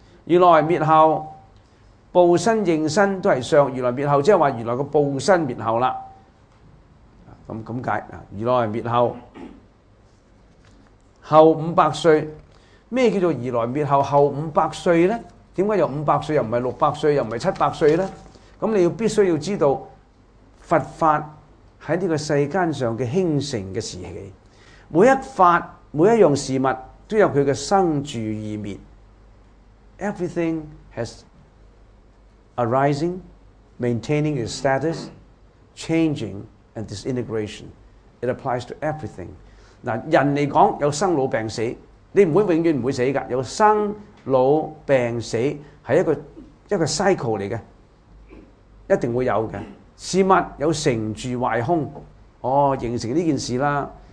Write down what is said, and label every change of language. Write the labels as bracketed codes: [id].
[zh] 如來滅後報身應身都是相，如來滅後即是說如來的報身滅後了，那解如來滅後後五百歲，什麼叫做如來滅後後五百歲呢？为什么有五百岁又不是六百岁又不是七百岁呢？那你必须要知道佛法在这个世间上的兴盛的时期，每一法每一样事物都有它的生住意灭。 [en] Everything has arising, maintaining its status, changing and disintegration. It applies to everything. [zh] 人来讲有生老病死，你不会永远不会死的，有生老病死是一个 cycle 嚟嘅，一定会有嘅。事物有成住坏空，哦，形成呢件事啦。